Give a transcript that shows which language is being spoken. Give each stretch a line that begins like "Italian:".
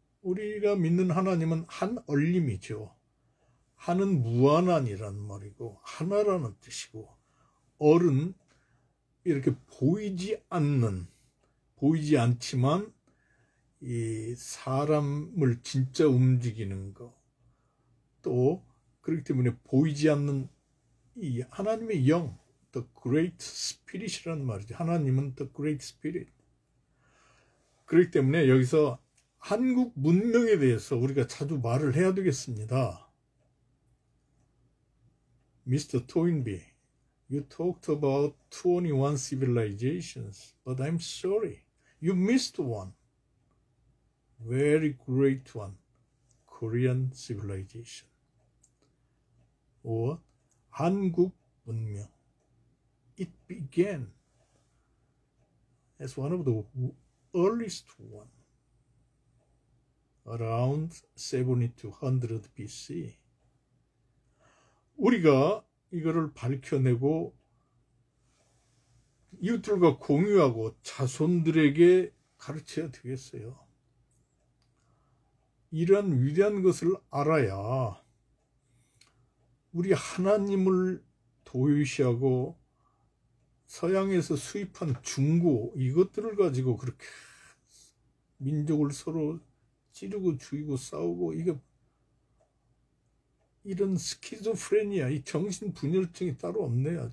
Korean: 우리가 믿는 하나님은 한 얼림이죠. 한은 무한한이란 말이고 하나라는 뜻이고 얼은 이렇게 보이지 않지만 이 사람을 진짜 움직이는 거또 그렇기 때문에 보이지 않는 이 하나님의 영, The Great Spirit이라는 말이죠. 하나님은 The Great Spirit. 그렇기 때문에 여기서 한국 문명에 대해서 우리가 자주 말을 해야 되겠습니다.
English: Mr. Toynbee. You talked about 21 civilizations, but I'm sorry, you missed one very great one, Korean civilization.
Korean: Or 한국 문명.
English: It began as one of the earliest one around 7200 BC.
Korean: 우리가 이거를 밝혀내고 이웃들과 공유하고 자손들에게 가르쳐야 되겠어요. 이런 위대한 것을 알아야 우리 하나님을 도외시하고 서양에서 수입한 중고 이것들을 가지고 그렇게 민족을 서로 찌르고 죽이고 싸우고 이게 이런 스키조프레니아, 이 정신 분열증이 따로 없네요.